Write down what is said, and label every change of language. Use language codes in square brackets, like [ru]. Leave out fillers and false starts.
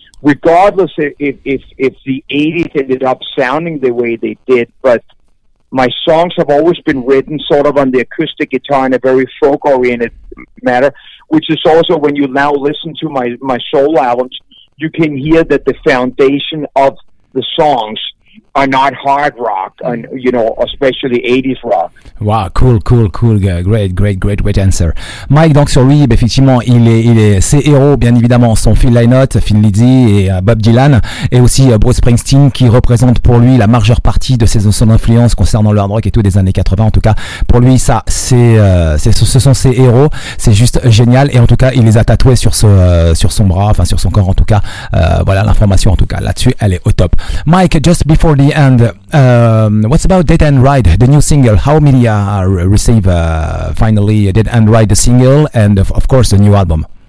[en] Regardless if the 80s ended up sounding the way they did, but my songs have always been written sort of on the acoustic guitar in a very folk-oriented manner, which is also when you now listen to my solo albums, you can hear that the foundation of the songs are not hard rock, and you know, especially 80s rock. Wow, cool, great answer. [fr] Mike, donc sur lui, effectivement, il est ses héros, bien évidemment, sont Phil Lynott, Thin Lizzy et Bob Dylan, et aussi Bruce Springsteen, qui représente pour lui la majeure partie de son influence concernant le hard rock et tout des années 80. En tout cas, pour lui, ça, ce sont ses héros. C'est juste génial, et en tout cas, il les a tatoués sur son corps, en tout cas. Voilà l'information, en tout cas, là-dessus, elle est au top. [en] Mike, just before the end, what's about Dead End Ride, the new single? How many Dead End Ride, the single, and of course the new album?